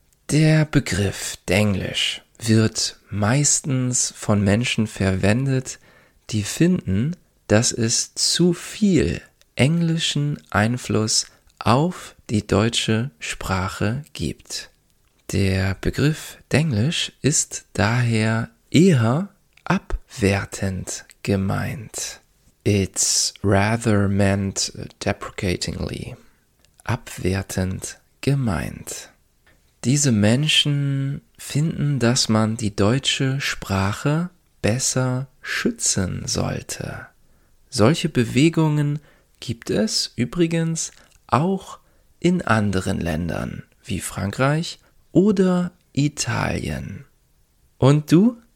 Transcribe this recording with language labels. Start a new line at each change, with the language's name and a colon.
German: Der Begriff Denglisch wird meistens von Menschen verwendet, die finden, dass es zu viel englischen Einfluss auf die deutsche Sprache gibt. Der Begriff Denglisch ist daher eher abwertend gemeint.
English: It's rather meant deprecatingly.
German: Abwertend gemeint. Diese Menschen finden, dass man die deutsche Sprache besser schützen sollte. Solche Bewegungen gibt es übrigens auch in anderen Ländern wie Frankreich oder Italien. Und du?